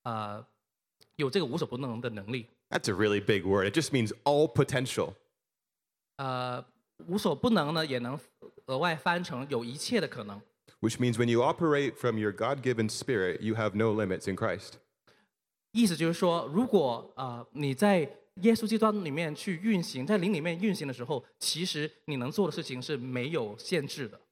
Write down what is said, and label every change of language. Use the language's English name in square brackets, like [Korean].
[Chinese] 因为神的灵是无所不能的，所以你人的灵也可以去连接到神的灵，以至于可以有这个无所不能的能力。 [English] That's a really big word. It just means all potential. [Chinese] 无所不能呢，也能额外翻成有一切的可能。 [English] Which means when you operate from your God-given spirit, you have no limits in Christ. [Chinese] 意思就是说，如果你在耶稣基督里面去运行，在灵里面运行的时候，其实你能做的事情是没有限制的。